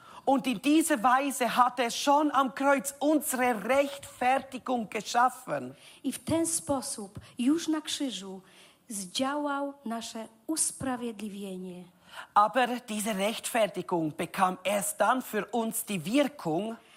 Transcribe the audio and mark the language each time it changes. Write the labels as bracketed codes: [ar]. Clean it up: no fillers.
[de] Und in dieser Weise hat er schon am Kreuz unsere Rechtfertigung geschaffen. [pl] I w ten sposób już na krzyżu zdziałał nasze usprawiedliwienie. [de] Aber diese Rechtfertigung bekam erst dann für uns die Wirkung.